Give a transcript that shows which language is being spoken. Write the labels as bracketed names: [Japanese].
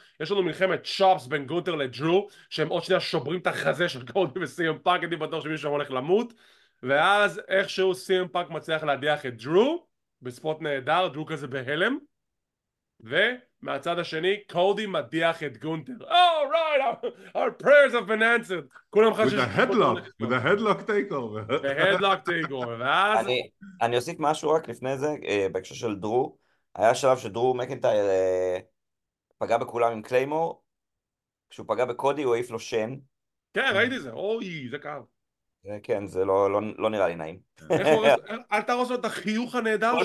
[Hebrew] יש לנו מלחמת צ'ופס בין גונטר לג'ו, שהם עוד שנייה שוברים את החזה של קודי וסיאם פאנק, אני בטוח שמישהו שם הולך למות. ואז איכשהו סיאם פאנק מצליח להדיח את ג'ו, בספוט נהדר, ג'ו כזה בהלם. ומהצד השני, קודי מדיח את גונטר. [English] All right, our prayers have been answered. [Hebrew] כולם חשבו שיש... [English] with a headlock takeover. The headlock takeover, ואז... [Hebrew] אני אוסיף משהו רק לפני זה, בהקשר של דרו. היה שלב שדרו מקנטייר פגע בכולם עם קליימור. כשהוא פגע בקודי, הוא העיף לו שן. כן, ראיתי זה. אוי, זה קר. כן, זה לא, לא, לא נראה לי נעים. אל תרוס לו את החיוך הנהדר